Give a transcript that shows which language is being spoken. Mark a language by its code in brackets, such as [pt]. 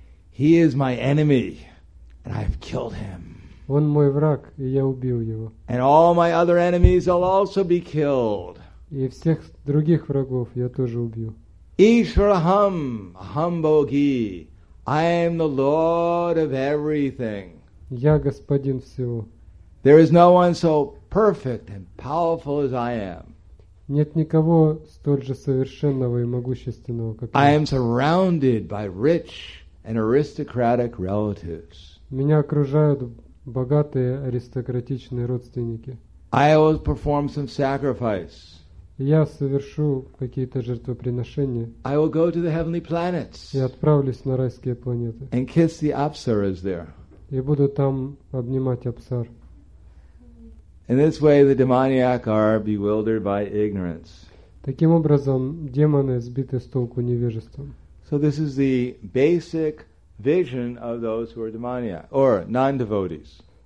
[en] He is my enemy, and I have killed him. [ru] Он мой враг, и я убил его. [en] And all my other enemies will also be killed. [ru] И всех других врагов я тоже убью. [en] Ishraham Hambogi, I am the Lord of everything. [ru] Я господин всего. [en] There is no one so perfect and powerful as I am. [ru] Нет никого столь же совершенного и могущественного, как я. [en] I am surrounded by rich and aristocratic relatives. [ru] Меня окружают богатые аристократичные родственники. [en] I will perform some sacrifice. [ru] Я совершу какие-то жертвоприношения. [en] I will go to the heavenly planets. [ru] И отправлюсь на райские планеты. [en] And kiss the apsaras there. [ru] И буду там обнимать апсар. [en] In this way, the demoniac are bewildered by ignorance. [ru] Таким образом, демоны сбиты с толку невежеством. [en] So this is the basic vision of those who are demoniac or non-devotees.